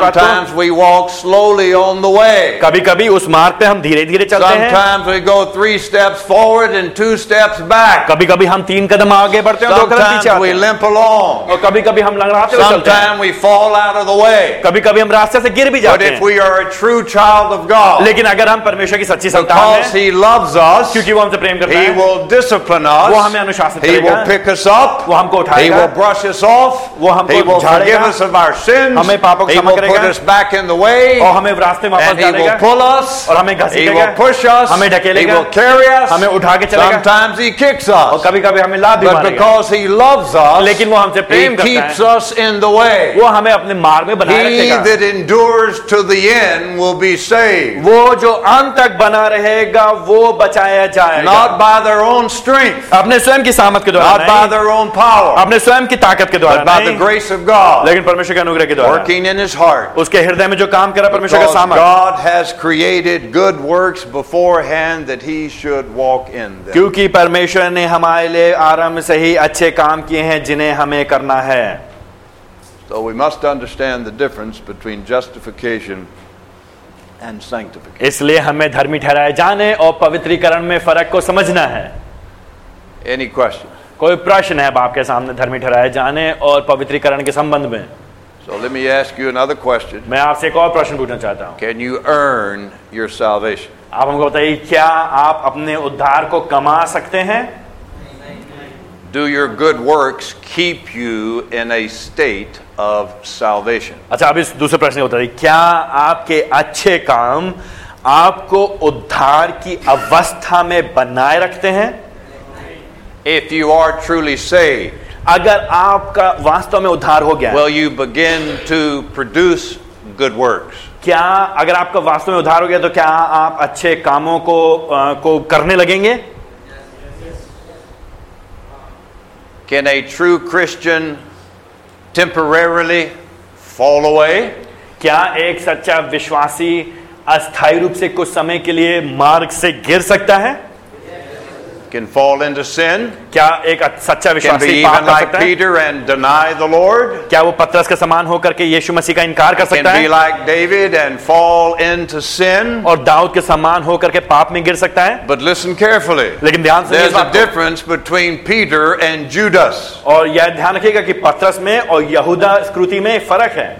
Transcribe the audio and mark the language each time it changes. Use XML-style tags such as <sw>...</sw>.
<en>Sometimes we walk slowly on the way.</en> <hi>कभी-कभी उस मार्ग पे हम धीरे-धीरे चलते हैं।</hi> <en>Sometimes we go 3 steps forward and 2 steps back.</en> <hi>कभी-कभी हम 3 कदम आगे बढ़ते हैं और 2 कदम पीछे आते हैं।</hi> <en>We limp along.</en> <hi>और कभी-कभी हम लंगड़ाते हुए चलते हैं।</hi> <en>Sometimes we fall out of the way.</en> <hi>कभी-कभी हम रास्ते से गिर भी जाते हैं।</hi> <en>But if we are a true child of God.</en> <hi>लेकिन अगर हम परमेश्वर की सच्ची संतान हैं।</hi> <en>Because he loves us.</en> <hi>क्योंकि वो हमसे प्रेम करता है।</hi> <en>He will discipline us.</en> <hi>वो हमें अनुशासित करेगा.</hi> <en>He will pick us up.</en> <hi>वो हमको उठाएगा.</hi> <en>He will brush us off.</en> <hi>वो हमको झाड़ेगा.</hi> <en>He will forgive us of our sins.</en> <hi>हमें पापों को क्षमा करेगा.</hi> <en>He will put us back in the way.</en> <hi>और हमें रास्ते में वापस डालेगा.</hi> <en>And he will pull us.</en> <hi>और हमें घसीटेगा.</hi> <en>He will push us.</en> <hi>हमें ढकेलेगा.</hi> <en>He will carry us.</en> <hi>हमें उठा के चलेगा.</hi> <en>Sometimes he kicks us.</en> <hi>और कभी-कभी हमें लात भी मारेगा.</hi> <en>But because he loves us.</en> <hi>लेकिन वो हमसे प्रेम करता है.</hi> <en>He keeps us in the way.</en> <hi>वो हमें अपने मार्ग में बनाए रखेगा.</hi> <en>He that endures to the end will be saved.</en> <hi>वो जो अंत तक बना रहेगा वो बचाया जाएगा.</hi> <en>Not by their own strength.</en> <hi>अपने स्वयं की सामर्थ्य के द्वारा.</hi> <en>Not by their own power.</en> <hi>अपने स्वयं की ताकत के द्वारा.</hi> <en>By the grace of God.</en> <hi>लेकिन परमेश्वर के अनुग्रह के द्वारा.</hi> <en>Working in his heart.</en> <hi>उसके हृदय में जो काम करा परमेश्वर का सामर्थ्य.</hi> <en>God has created good works beforehand that he should walk in them.</en> <hi>क्योंकि परमेश्वर ने हमारे लिए आरंभ से ही अच्छे काम किए हैं जिन्हें हमें करना है.</hi> <en>So we must understand the difference between justification and sanctification.</en> <hi>इसलिए हमें धर्मी ठहराए जाने और पवित्रीकरण में फर्क को समझना है.</hi> <en>Any question?</en> <hi>कोई प्रश्न है आपके सामने धर्मी ठहराए जाने और पवित्रीकरण के संबंध में?</hi> <en>So let me ask you another question.</en> <hi>मैं आपसे एक और प्रश्न पूछना चाहता हूँ.</hi> <en>Can you earn your salvation?</en> <hi>आप हमको बताइए क्या आप अपने उद्धार को कमा सकते हैं?</hi> <en>Do your good works keep you in a state of salvation?</en> <hi>अच्छा, अभी दूसरे प्रश्न होता है, क्या आपके अच्छे काम आपको उद्धार की अवस्था में बनाए रखते हैं?</hi> <en>If you are truly saved,</en> <hi>अगर आपका वास्तव में उद्धार हो गया,</hi> <en>will you begin to produce good works?</en> <hi>क्या अगर आपका वास्तव में उद्धार हो गया तो क्या आप अच्छे कामों को करने लगेंगे?</hi> <en>Can a true Christian temporarily fall away?</en> <hi>क्या एक सच्चा विश्वासी अस्थाई रूप से कुछ समय के लिए मार्ग से गिर सकता है?</hi> <en>Can fall into sin?</en> <hi>क्या एक सच्चा विश्वासी पाप कर सकता है?</hi> <en>Can be like Peter and deny the Lord?</en> <hi>क्या वो पतरस के समान होकर के यीशु मसीह का इनकार कर सकता है?</hi> <en>Can be like David and fall into sin?</en> <hi>और दाऊद के समान होकर के पाप में गिर सकता है?</hi> <en>But listen carefully.</en> <hi>लेकिन ध्यान से सुनिए.</hi> <en>There's a difference between Peter and Judas.</en> <hi>और यह ध्यान रखिएगा कि पतरस में और यहूदा स्कृति में फर्क है.</hi>